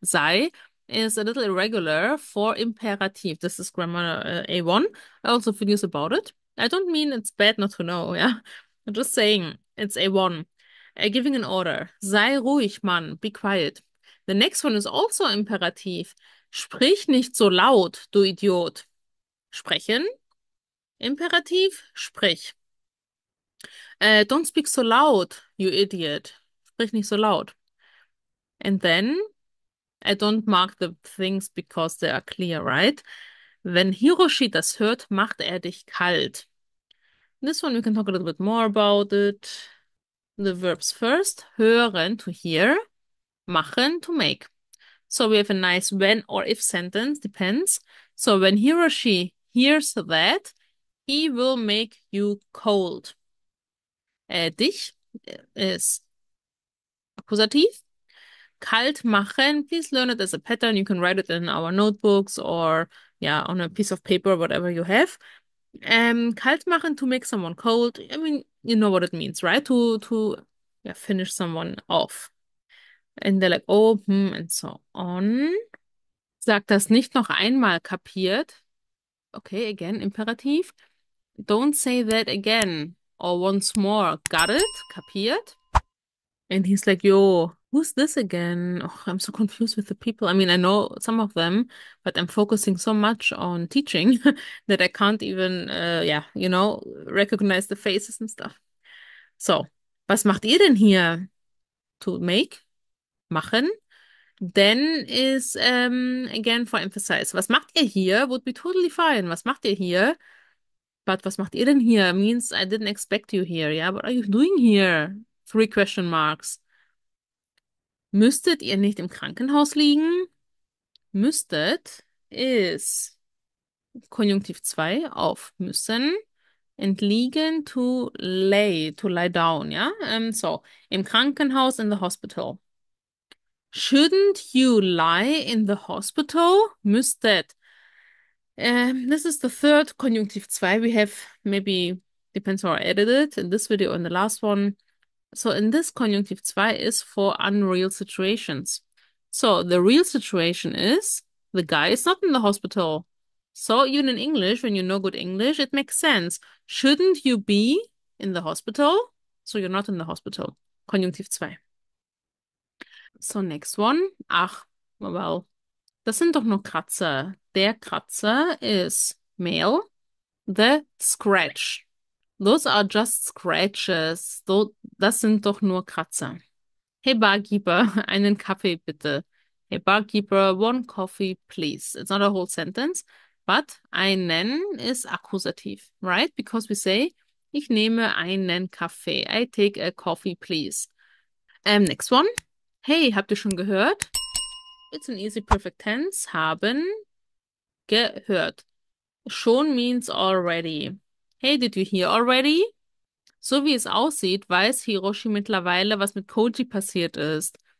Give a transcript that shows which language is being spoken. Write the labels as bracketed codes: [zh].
[en] Sei is a little irregular for imperative. This is grammar A1. I also have videos about it. I don't mean it's bad not to know, yeah? I'm just saying it's A1. Giving an order. [de] Sei ruhig, Mann. [en] Be quiet. The next one is also imperativ. [de] Sprich nicht so laut, du Idiot. Sprechen. Imperativ. Sprich. [en] Don't speak so loud, you idiot. [de] Sprich nicht so laut. [en] And then, I don't mark the things because they are clear, right? [de] Wenn Hiroshi das hört, macht dich kalt. [en] This one we can talk a little bit more about it. The verbs first. Hören, to hear. Machen, to make. So we have a nice when or if sentence, depends. So when he or she hears that, he will make you cold. Dich is accusative. Kalt machen, please learn it as a pattern. You can write it in our notebooks or yeah, on a piece of paper, whatever you have. Kalt machen, to make someone cold. I mean, you know what it means, right? To finish someone off. And they're like, oh, and so on. [de] Sag das nicht noch einmal, kapiert. [en] Okay, again, imperativ. Don't say that again. Or once more, got it, [de] kapiert. [en] And he's like, yo, who's this again? Oh, I'm so confused with the people. I mean, I know some of them, but I'm focusing so much on teaching that I can't even, recognize the faces and stuff. [de] So, was macht ihr denn hier? [en] To make? Machen. Denn is, again, for emphasize. [de] Was macht ihr hier? [en] Would be totally fine. [de] Was macht ihr hier? [en] But [de] was macht ihr denn hier? [en] Means I didn't expect you here. Yeah, what are you doing here? 3 question marks. [de] Müsstet ihr nicht im Krankenhaus liegen? Müsstet is Konjunktiv 2 auf müssen. [en] And liegen to lie down. Yeah, so [de] im Krankenhaus, [en] in the hospital. Shouldn't you lie in the hospital? Müsstet. This is the third Konjunktiv 2. We have maybe, depends how I edited it, in this video or in the last one. So in this Konjunktiv 2 is for unreal situations. So the real situation is the guy is not in the hospital. So even in English, when you know good English, it makes sense. Shouldn't you be in the hospital? So you're not in the hospital. Konjunktiv 2. So, next one. [de] Ach, well, das sind doch nur Kratzer. Der Kratzer [en] is male. The scratch. Those are just scratches. [de] Das sind doch nur Kratzer. Hey Barkeeper, einen Kaffee bitte. [en] Hey Barkeeper, one coffee please. It's not a whole sentence, but [de] einen ist Akkusativ, [en] right? Because we say, [de] ich nehme einen Kaffee. [en] I take a coffee please. Next one. [de] Hey, habt ihr schon gehört? [en] It's an easy perfect tense. [de] Haben gehört. [en] Schon means already. Hey, did you hear already? [de] So wie es aussieht, weiß Hiroshi mittlerweile, was mit Koji passiert ist.